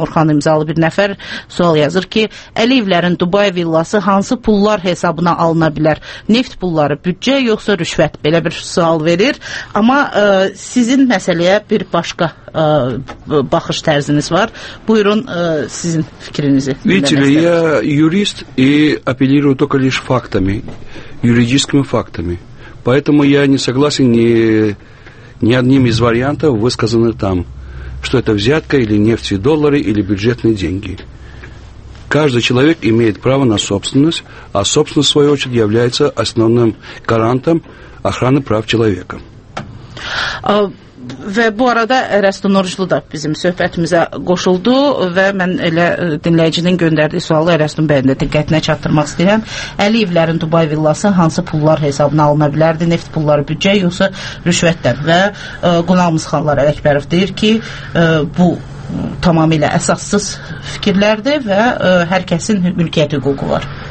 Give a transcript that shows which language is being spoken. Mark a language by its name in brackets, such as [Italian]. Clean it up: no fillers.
[Azerbaijani] Orxan imzalı bir nəfər sual yazır ki, Əliyevlərin Dubai villası hansı pullar hesabına alına bilər? Neft pulları, büdcə yoxsa rüşvət? Belə bir sual verir. Amma sizin məsələyə bir başqa baxış tərziniz var. Buyurun sizin fikrinizi. [Russian] Видите ли, я юрист и апеллирую только лишь фактами, юридическими фактами. Поэтому я не согласен ни одним из вариантов, высказанных там, что это взятка или нефть и доллары, или бюджетные деньги. Каждый человек имеет право на собственность, а собственность, в свою очередь, является основным гарантом охраны прав человека. [Azerbaijani] Və bu arada Ərəstun Oruçlu da bizim söhbətimizə qoşuldu və mən elə dinləyicinin göndərdiyi sualı Ərəstun bəyin də diqqətinə çatdırmaq istəyirəm. Əliyevlərin Dubai villası hansı pullar hesabına alına bilərdi? Neft pulları, büdcə yoxsa rüşvətdən? Və qonağımız Xanlar Ələkbərov deyir ki, bu tamamilə əsassız fikirlərdir və hər kəsin mülkiyyət hüququ var.